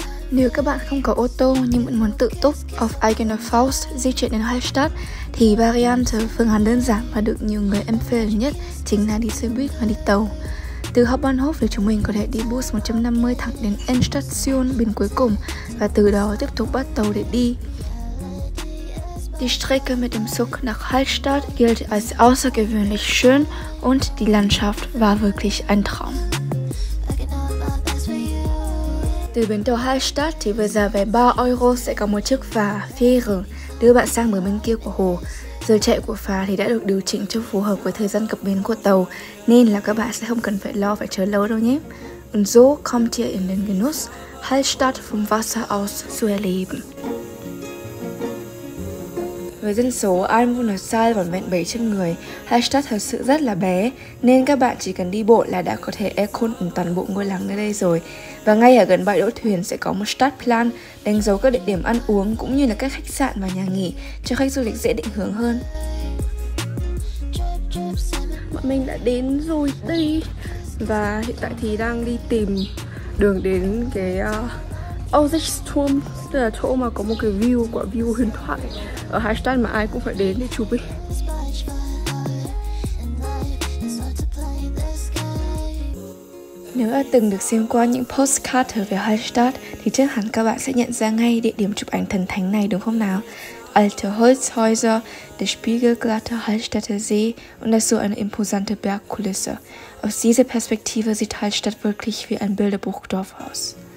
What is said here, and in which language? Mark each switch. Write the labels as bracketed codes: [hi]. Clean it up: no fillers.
[vi] Nếu các bạn không có ô tô nhưng vẫn muốn tự túc [de] auf eigene Faust [vi] di chuyển đến Hallstatt thì variante phương án đơn giản và được nhiều người em phê nhất chính là đi xe buýt và đi tàu. Từ Hauptbahnhof thì chúng mình có thể đi bus 150 thẳng đến Endstation bên cuối cùng và từ đó tiếp tục bắt tàu để đi. [de] Die Strecke mit dem Zug nach Hallstatt gilt als außergewöhnlich schön und die Landschaft war wirklich ein Traum. [vi] Từ bến tàu Hallstatt thì vừa giờ về 3 euro sẽ có một chiếc phà Fähre đưa bạn sang bờ bên kia của hồ. Giờ chạy của phà thì đã được điều chỉnh cho phù hợp với thời gian cập bến của tàu nên là các bạn sẽ không cần phải lo phải chờ lâu đâu nhé. [de] Und so kommt ihr in den Genuss, Hallstatt vom Wasser aus zu erleben. [vi] Với dân số Einwohnerzahl vẫn vẹn 700 người, Hallstatt thật sự rất là bé nên các bạn chỉ cần đi bộ là đã có thể erkunden toàn bộ ngôi làng nơi đây rồi. Và ngay ở gần bãi đỗ thuyền sẽ có một Stadtplan đánh dấu các địa điểm ăn uống cũng như là các khách sạn và nhà nghỉ cho khách du lịch dễ định hướng hơn. Bọn mình đã đến rồi đây và hiện tại thì đang đi tìm đường đến cái Aussichtsturm, tức là chỗ mà có một cái view, quả view huyền thoại ở Hallstatt mà ai cũng phải đến để chụp ấy. Nếu đã từng được xem qua những postcard về Hallstatt thì chắc hẳn các bạn sẽ nhận ra ngay địa điểm chụp ảnh thần thánh này đúng không nào? [de] Alte Holzhäuser, der spiegelglatte Hallstätter See und dazu eine imposante Bergkulisse. Aus dieser Perspektive sieht Hallstatt wirklich wie ein Bilderbuchdorf aus.